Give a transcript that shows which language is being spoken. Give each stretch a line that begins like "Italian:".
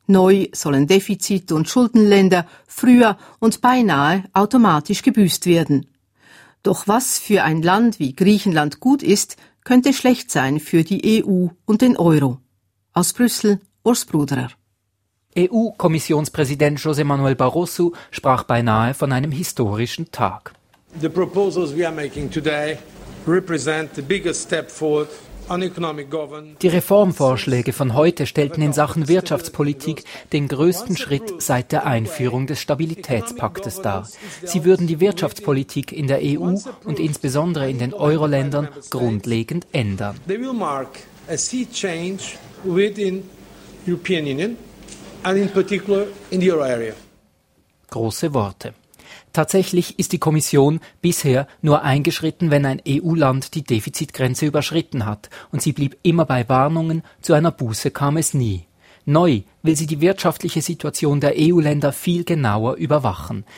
German: Neu sollen Defizite und Schuldenländer früher und beinahe automatisch gebüßt werden. Doch was für ein Land wie Griechenland gut ist, könnte schlecht sein für die EU und den Euro. Aus Brüssel, Urs Bruderer. EU-Kommissionspräsident José Manuel Barroso sprach beinahe von einem historischen Tag.
English: The proposals we are making today represent the biggest step forward.
German: Die Reformvorschläge von heute stellten in Sachen Wirtschaftspolitik den größten Schritt seit der Einführung des Stabilitätspaktes dar. Sie würden die Wirtschaftspolitik in der EU und insbesondere in den Euro-Ländern grundlegend ändern.
English: They will mark a sea change within the European Union and in particular in the euro area.
German: Große Worte. Tatsächlich ist die Kommission bisher nur eingeschritten, wenn ein EU-Land die Defizitgrenze überschritten hat, und sie blieb immer bei Warnungen, zu einer Buße kam es nie. Neu will sie die wirtschaftliche Situation der EU-Länder viel genauer überwachen.